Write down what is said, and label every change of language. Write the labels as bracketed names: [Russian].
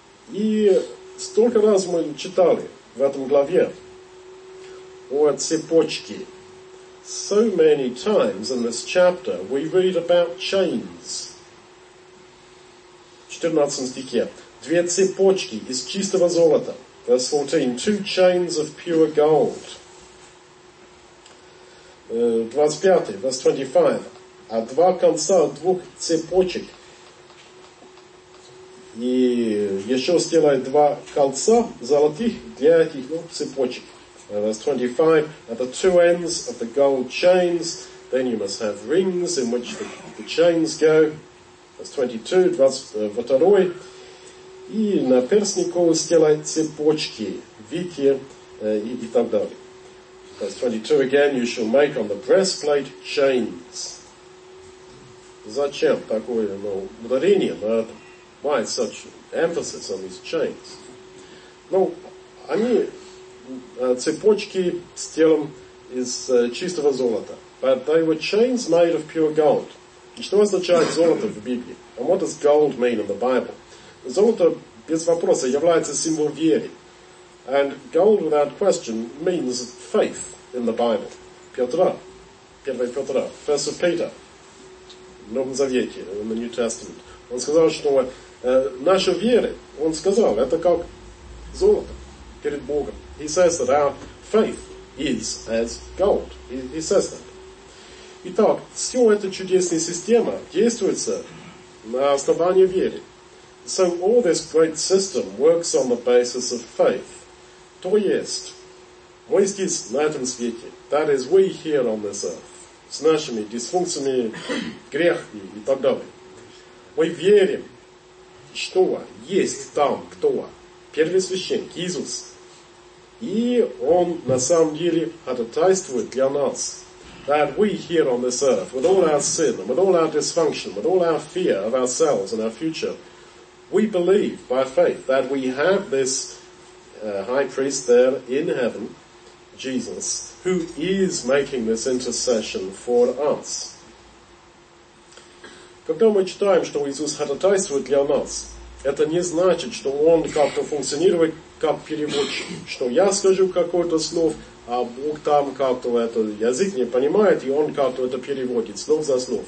[Russian] И столько раз мы читали в этом главе о цепочке. [English] So many times in this chapter we read about chains. [Russian] 14 стихе. Две цепочки из чистого золота. [English] Verse 14. Two chains of pure gold. 25. Verse 25. [Russian] А два конца двух цепочек. И еще сделай два кольца золотых для этих двух цепочек. [English] Verse 25, at the two ends of the gold chains, then you must have rings in which the chains go. Verse 22, Vatarui, [Russian] и наперстник колости на цепочки, витие и так далее. [English] Verse 22 again, you shall make on the breastplate chains. [Russian] Зачем такое, ну, ударение на это? [English] Why such emphasis on these chains? [Russian] Ну, они цепочки с телом из чистого золота. [English] But they were chains made of pure gold. [Russian] И что означает золото в Библии? [English] And what does gold mean in the Bible? [Russian] Золото, без вопроса, является символом веры. [English] And gold, without question, means faith in the Bible. [Russian] Петра, 1 Петра, 1 Peter, в Новом Завете, [English] in the New Testament. [Russian] Он сказал, что наша вера, он сказал, это как золото перед Богом. [English] He says that our faith is as gold. He says that. [Russian] Итак, все эта чудесная система действуется на основании веры. [English] So all this great system works on the basis of faith. [Russian] То есть, мы здесь на этом свете. [English] That is, we here on this earth. [Russian] С нашими дисфункциями, грехами и так далее. Мы верим, что есть там кто? Первый священник, Иисус. И Он на самом деле ходатайствует для нас. [English] That we here on this earth, with all our sin, and with all our dysfunction, with all our fear of ourselves and our future, we believe by faith that we have this high priest there in heaven, Jesus, who is making this intercession for us. [Russian] Когда мы читаем, что Иисус ходатайствует для нас, это не значит, что Он как-то функционирует как переводчик, что я скажу какое-то слово, а Бог там как-то это язык не понимает, и Он как-то это переводит, слов за слов.